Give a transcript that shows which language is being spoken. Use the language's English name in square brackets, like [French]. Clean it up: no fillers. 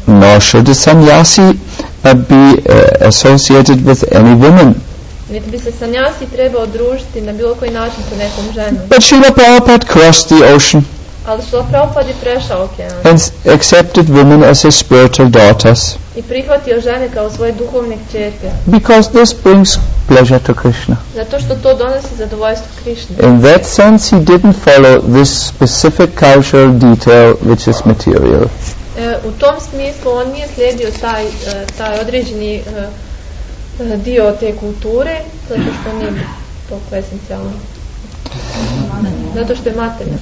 [English] No, should a sannyasi be associated with any woman? [Bosnian] Niti bi se sannyasi trebao družiti na bilo koji način sa nekom ženom. [English] But Srila Prabhupada crossed the ocean. [Bosnian] Ali Srila Prabhupada je prešao okean. [English] And accepted women as his spiritual daughters. [Bosnian] I prihvatio žene kao svoje duhovne kćerke. [English] Because this brings pleasure to Krishna. [Bosnian] Zato što to donosi zadovoljstvo Krishna. [English] In that sense he didn't follow this specific cultural detail which is material. [Bosnian] U tom smislu on nije slijedio taj određeni dio te kulture, zato što nije toliko esencijalno. Zato što je materijal.